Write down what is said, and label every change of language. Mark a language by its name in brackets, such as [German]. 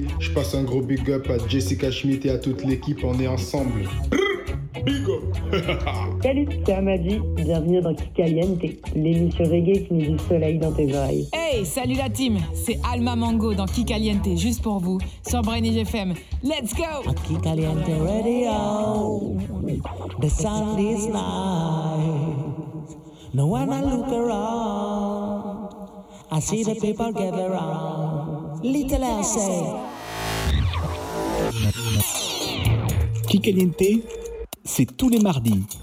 [French] Je passe un gros big up à Jessica Schmitt et à toute l'équipe, on est ensemble. [English] Big up. [French] Salut, c'est Amadi, bienvenue dans Kikaliente, l'émission reggae qui met du soleil dans tes oreilles. Hey, salut la team, c'est Alma Mango dans Kikaliente, juste pour vous, sur Brenig FM. [English] Let's go! Kikaliente Radio, the sun is nice. Now when I look around, I see the people gather around. Little L say. [French] Kikaliente, c'est tous les mardis.